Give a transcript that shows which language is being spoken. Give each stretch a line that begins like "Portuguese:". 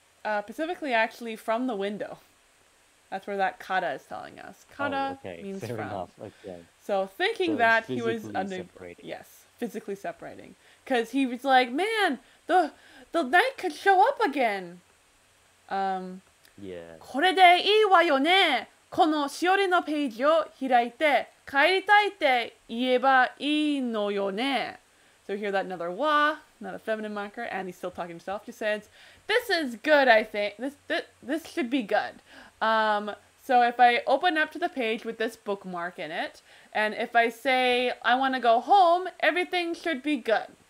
English: Specifically, actually, from the window. That's where that kata is telling us. Kata means fair from. Enough. Okay. So thinking so that he was unable. Yes, physically separating. Because he was like, man, the knight could show up again. Yeah.
Japanese: これでいいわよね。このしおりのページを開いて帰りたいって言えばいいのよね。
English: So hear that another wa, another feminine marker, and he's still talking to himself. He says, this is good, I think. This should be good. So if I open up to the page with this bookmark in it, and if I say, I want to go home, everything should be good.